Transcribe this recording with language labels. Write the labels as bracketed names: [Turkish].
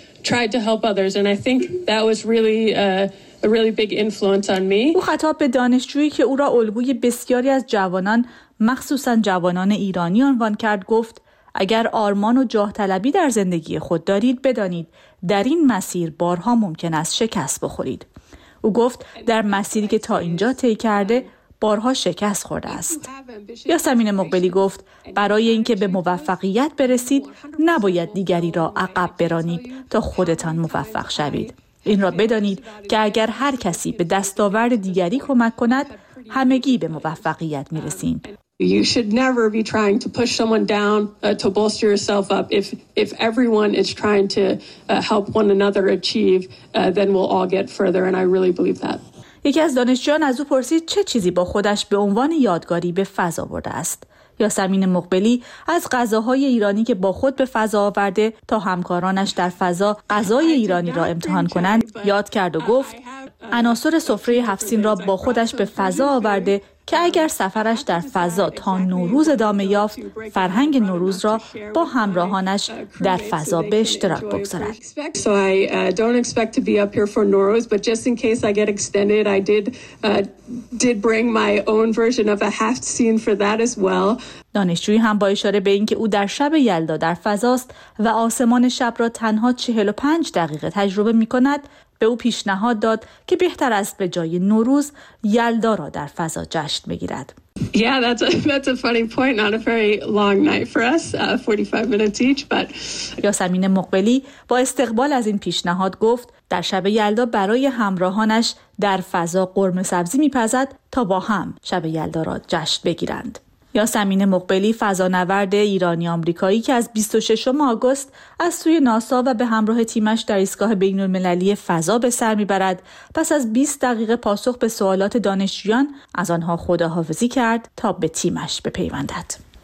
[English] Tried to help others, and I think that was really a really big influence on me. [Persian] او خطاب به دانشجویی که او را الگوی بسیاری از جوانان، مخصوصا جوانان ایرانی، عنوان کرد گفت: اگر آرمان و جاه طلبی در زندگی خود دارید، بدانید در این مسیر بارها ممکن است شکست بخورید. او گفت: در مسیری که تا اینجا طی کرده بارها شکست خورده است. یاسمین مقبلی گفت: برای اینکه به موفقیت برسید، نباید دیگری را عقب برانید تا خودتان موفق شوید. این را بدانید که اگر هر کسی به دستاورد دیگری کمک کند، همگی به موفقیت می‌رسیم. [English] You should never be trying to push someone down to bolster yourself up. If everyone is trying to help one another achieve, then we'll all get further, and I really believe that. [Persian] یکی از دانشجویان از او پرسید چه چیزی با خودش به عنوان یادگاری به فضا برده است. یاسمین مقبلی از غذاهای ایرانی که با خود به فضا آورده تا همکارانش در فضا غذای ایرانی را امتحان کنند یاد کرد و گفت عناصر سفره هفت‌سین را با خودش به فضا آورده که اگر سفرش در فضا تا نوروز ادامه یافت، فرهنگ نوروز را با همراهانش در فضا به اشتراک بگذارد. [English] So I don't expect to be up here for Noroz, but just in case I get extended, I did bring my own version of a haft scene for that as well. [Persian] دانشجوی هم با اشاره به اینکه او در شب یلدا در فضاست و آسمان شب را تنها 45 دقیقه تجربه می کند، به او پیشنهاد داد که بهتر است به جای نوروز یلدا را در فضا جشن بگیرد. [English] Yeah, that's a funny point. Not a very long night for us, 45 minutes each, but [Persian] یاسمین مقبلی با استقبال از این پیشنهاد گفت در شب یلدا برای همراهانش در فضا قرمه سبزی می‌پزد تا با هم شب یلدا را جشن بگیرند. یاسمین مقبلی فضانورد ایرانی آمریکایی که از 26 آگوست از سوی ناسا و به همراه تیمش در ایستگاه بین‌المللی فضا به سر می‌برد، پس از 20 دقیقه پاسخ به سوالات دانشجویان از آنها خداحافظی کرد تا به تیمش بپیوندد.